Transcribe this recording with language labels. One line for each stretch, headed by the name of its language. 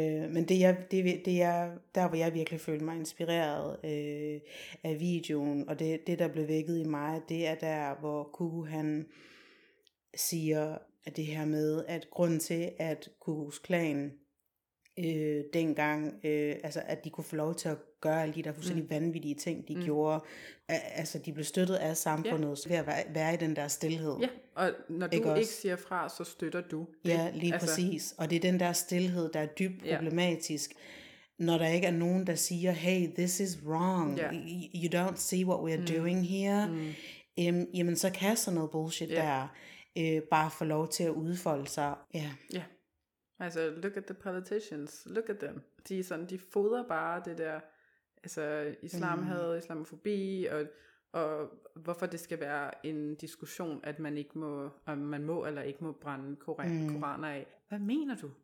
Danish: Men det er der, hvor jeg virkelig følte mig inspireret af videoen, og det der blev vækket i mig, det er der, hvor Kuku han siger det her med, at grunden til, at Kukus klan dengang, altså at de kunne få lov til at gøre alle de der fuldstændig vanvittige ting, de gjorde. Altså, de blev støttet af samfundet, ja. Ved at være i den der stillhed. Ja, og når du ikke siger fra, så støtter du. Ja, lige altså. Præcis. Og det er den der stillhed, der er dybt problematisk, når der ikke er nogen, der siger, hey,
English: this is wrong.
Danish: Ja.
English: You don't see what we are doing here. Mm.
Danish: Jamen, så kan sådan noget bullshit der bare få lov til at udfolde sig. Ja. Ja. Altså,
English: look at the politicians. Look at them.
Danish: De er sådan, de fodrer bare det der altså islam havde islamofobi og hvorfor det skal være en diskussion at man ikke må om man må eller ikke må brænde koraner af. Hvad mener du?